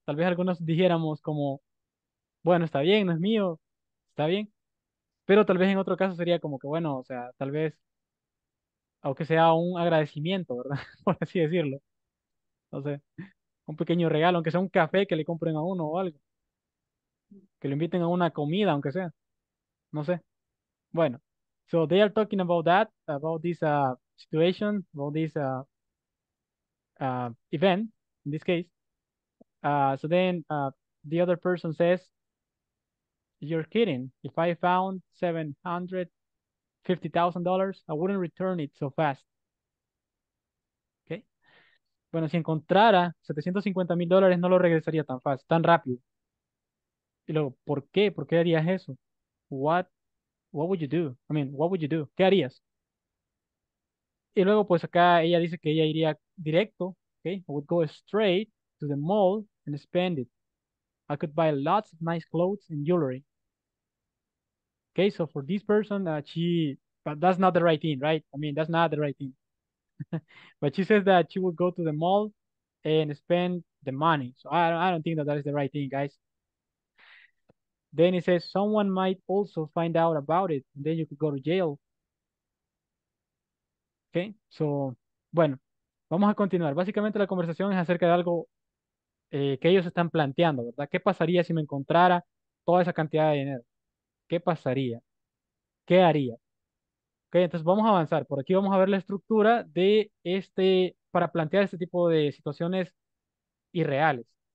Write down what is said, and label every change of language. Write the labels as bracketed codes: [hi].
[es] Tal vez algunos dijéramos como, bueno, está bien, no es mío, está bien. Pero tal vez en otro caso sería como que, bueno, o sea, tal vez, aunque sea un agradecimiento, ¿verdad? Por así decirlo. No sé, un pequeño regalo, aunque sea un café que le compren a uno o algo. Que lo inviten a una comida, aunque sea. No sé. [en] Bueno, so they are talking about that, about this situation, about this event in this case. So then the other person says, "You're kidding. If I found $750,000, I wouldn't return it so fast." [es] Bueno, si encontrara 750 mil dólares, no lo regresaría tan fácil, tan rápido. Y luego, ¿por qué? ¿Por qué harías eso? [en] What would you do? [es] I mean, what would you do? ¿Qué harías? Y luego, pues acá ella dice que ella iría directo, ok. [en] I would go straight to the mall and spend it. I could buy lots of nice clothes and jewelry. Okay, so for this person, but that's not the right thing, right? I mean, that's not the right thing. But she says that she would go to the mall and spend the money. So I don't think that that is the right thing, guys. Then he says someone might also find out about it, and then you could go to jail. Okay, so [es] Bueno, vamos a continuar. Básicamente la conversación es acerca de algo que ellos están planteando, ¿verdad? ¿Qué pasaría si me encontrara toda esa cantidad de dinero? ¿Qué pasaría? ¿Qué haría? Ok, entonces vamos a avanzar. Por aquí vamos a ver la estructura de este, para plantear este tipo de situaciones irreales.